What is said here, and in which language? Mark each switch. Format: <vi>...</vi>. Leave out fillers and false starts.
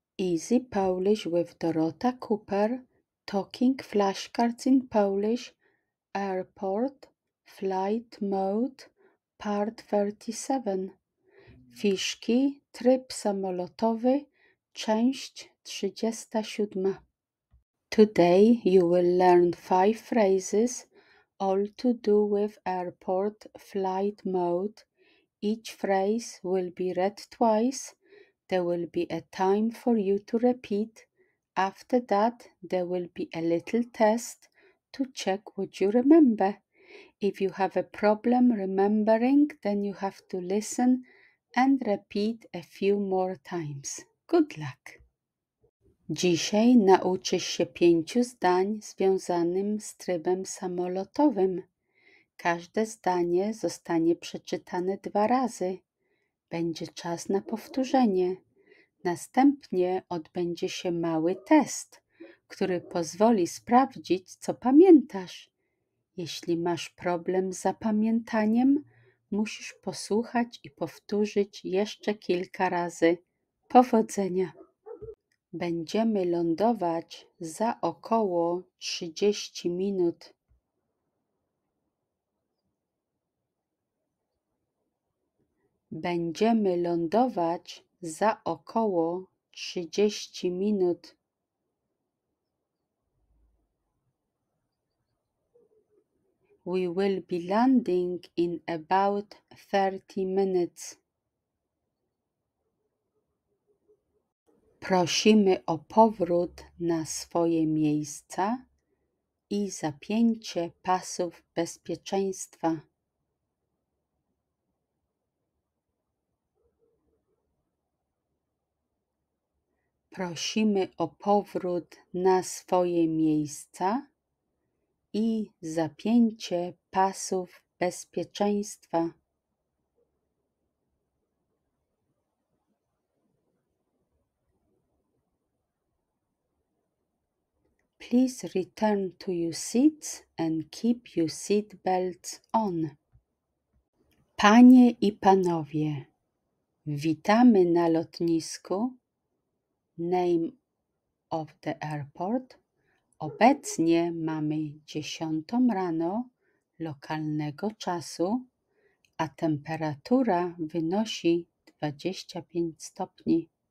<en>Easy Polish with Dorota Cooper, talking flashcards in Polish, airport, flight mode, part 37.</en> <pl>Fiszki, tryb samolotowy, część 37.</pl> <en>Today you will learn 5 phrases, all to do with airport, flight mode. Each phrase will be read twice. There will be a time for you to repeat. After that, there will be a little test to check what you remember. If you have a problem remembering, then you have to listen and repeat a few more times. Good luck!</en> <pl>Dzisiaj nauczysz się 5 zdań związanym z trybem samolotowym. Każde zdanie zostanie przeczytane 2 razy. Będzie czas na powtórzenie. Następnie odbędzie się mały test, który pozwoli sprawdzić, co pamiętasz. Jeśli masz problem z zapamiętaniem, musisz posłuchać i powtórzyć jeszcze kilka razy. Powodzenia! Będziemy lądować za około 30 minut. Będziemy lądować za około 30 minut.</pl> <en>We will be landing in about 30 minutes.</en> <pl>Prosimy o powrót na swoje miejsca i zapięcie pasów bezpieczeństwa. Prosimy o powrót na swoje miejsca i zapięcie pasów bezpieczeństwa.</pl> <en>Please return to your seats and keep your seat belts on.</en> <pl>Panie i panowie, witamy na lotnisku.</pl> <en>Name of the airport.</en> <pl>Obecnie mamy 10 rano lokalnego czasu, a temperatura wynosi 25 stopni.</pl>